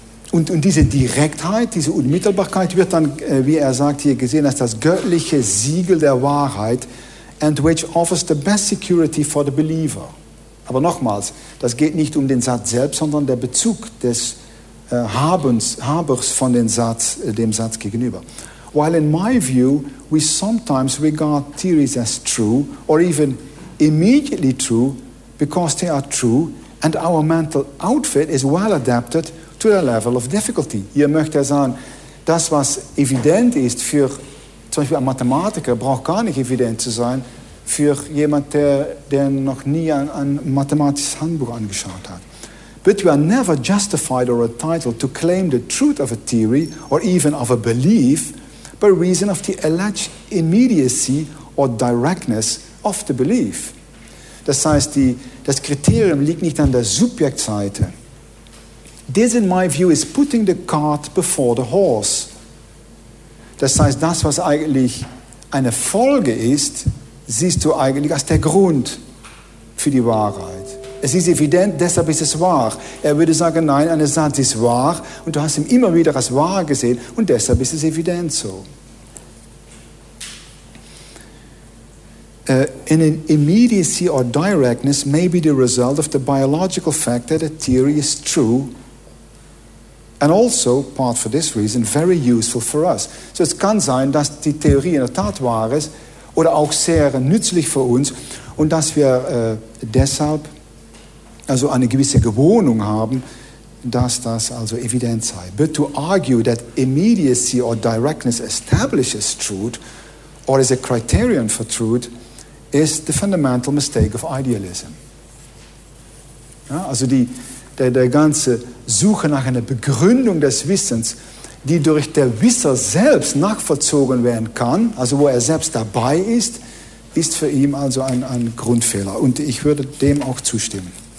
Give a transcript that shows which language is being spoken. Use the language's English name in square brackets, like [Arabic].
[German] Und diese Direktheit, diese Unmittelbarkeit wird dann, wie er sagt, hier gesehen als das göttliche Siegel der Wahrheit [English] and which offers the best security for the believer. [German] Aber nochmals, das geht nicht um den Satz selbst, sondern der Bezug des Habers von den Satz, dem Satz gegenüber. [English] While in my view, we sometimes regard theories as true or even immediately true because they are true and our mental outfit is well adapted to the level of difficulty. [German] Hier möchte er sagen, das, was evident ist für zum Beispiel ein Mathematiker, braucht gar nicht evident zu sein für jemanden, der noch nie ein mathematisches Handbuch angeschaut hat. [English] But we are never justified or entitled to claim the truth of a theory or even of a belief by reason of the alleged immediacy or directness of the belief. [German] Das heißt, das Kriterium liegt nicht an der Subjektseite. [English] This, in my view, is putting the cart before the horse. [German] Das heißt, das, was eigentlich eine Folge ist, siehst du eigentlich als der Grund für die Wahrheit. Es ist evident, deshalb ist es wahr. Er würde sagen, nein, ein Satz ist wahr und du hast ihn immer wieder als wahr gesehen und deshalb ist es evident so. [English] An immediacy or directness may be the result of the biological fact that a theory is true and also, part for this reason, very useful for us. [German] So es kann sein, dass die Theorie in der Tat wahr ist oder auch sehr nützlich für uns und dass wir deshalb also eine gewisse Gewohnung haben, dass das also evident sei. [English] But to argue that immediacy or directness establishes truth or is a criterion for truth is the fundamental mistake of idealism. [German] Ja, also der ganze Suche nach einer Begründung des Wissens, die durch der Wisser selbst nachvollzogen werden kann, also wo er selbst dabei ist, ist für ihn also ein Grundfehler. Und ich würde dem auch zustimmen.